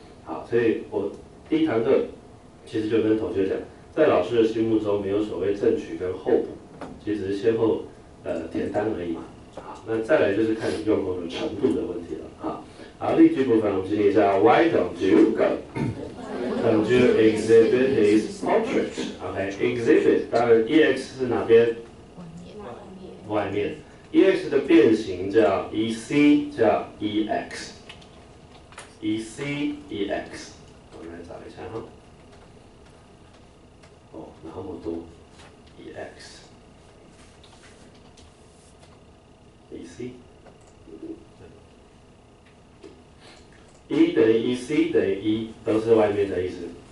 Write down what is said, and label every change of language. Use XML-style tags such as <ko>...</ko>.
<zh>好，所以我第一堂课。其实就跟同学讲，在老师的心目中没有所谓正取跟候补，其实先后填单而已嘛。好，那再来就是看你用功的程度的问题了。好，例句部分我们进行一下 ，</zh> <en>Why don't you go? Don't you exhibit his portrait? OK, exhibit</en> <zh>当然</zh> <en>ex</en> <zh>是哪边？外面。外面。ex 的变形叫 ec， 叫 ex。 ec ex， 我们来找一下哈。哦，那么多 ，ex， ec， e 等于 ec 等于 e， 都是外面的意思。</zh>